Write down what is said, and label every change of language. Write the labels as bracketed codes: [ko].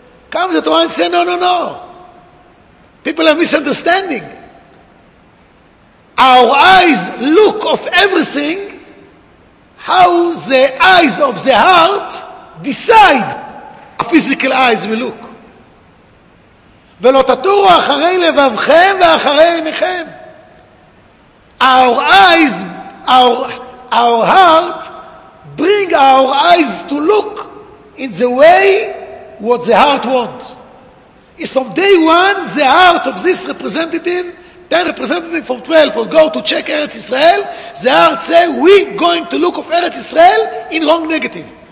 [en] Comes the Torah and say, no. People are misunderstanding. Our eyes look of everything, how the eyes of the heart decide how physical eyes will look. [he] ולא תתורו אחרי לבבכם ואחרי עיניכם. [en] Our eyes, our heart bring our eyes to look in the way what the heart wants. It's from day one, the heart of this representative 10 representatives from 12 will go to check Eretz Yisrael, the Ard say, we going to look of Eretz Yisrael in wrong negative.